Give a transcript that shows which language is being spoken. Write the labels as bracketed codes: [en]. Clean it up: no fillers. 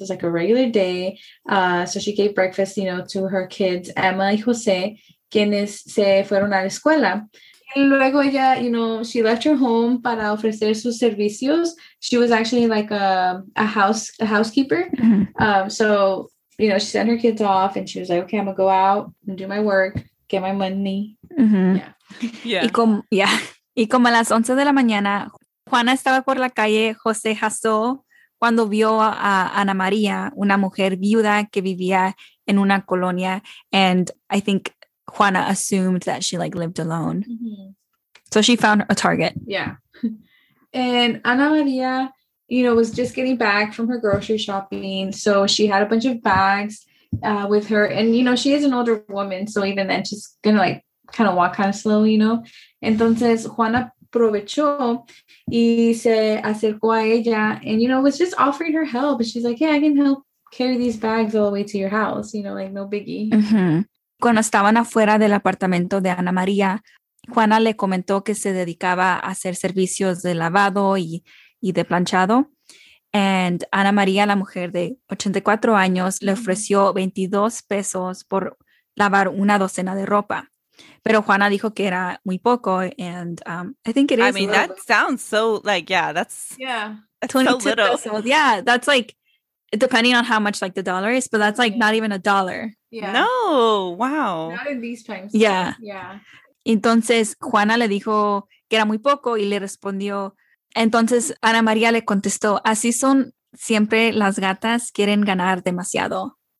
[en] It was like a regular day. So she gave breakfast, you know, to her kids, Emma y Jose, [es] quienes se fueron a la escuela. [en] And [es] luego ella, [en] you know, she left her home [es] para ofrecer sus servicios. [en] She was actually like a housekeeper. Mm-hmm. So, you know, she sent her kids off and she was like, okay, I'm gonna go out and do my work, get my money. Mm-hmm. [es] Yeah. Y como a las 11 de la mañana, Juana estaba por la calle José Jasó cuando vio a Ana María, una mujer viuda que vivía en una colonia. [en] And I think Juana assumed that she like lived alone. Mm-hmm. So she found a target. Yeah. And Ana María, you know, was just getting back from her grocery shopping. So she had a bunch of bags with her. And, you know, she is an older woman. So even then, she's going to like kind of walk kind of slow, you know. [es] Entonces, Juana aprovechó y se acercó a ella. [en] And, you know, was just offering her help. And she's like, yeah, I can help carry these bags all the way to your house. You know, like no biggie. Mm-hmm. [es] Cuando estaban afuera del apartamento de Ana María, Juana le comentó que se dedicaba a hacer servicios de lavado y de planchado. And Ana María, la mujer de 84 años, le ofreció 22 pesos por lavar una docena de ropa. Pero Juana dijo que era muy poco. [en] And I think it is. I mean, that sounds so like, yeah, that's, yeah, 22 so little. [es] Pesos. [en] Yeah, that's like, depending on how much like the dollar is, but that's like, yeah, not even a dollar. Yeah. No, wow. Not in these times. Yeah. Yeah. [es] Entonces, Juana le dijo que era muy poco y le respondió. Entonces, Ana María le contestó, así son siempre las gatas, quieren ganar demasiado.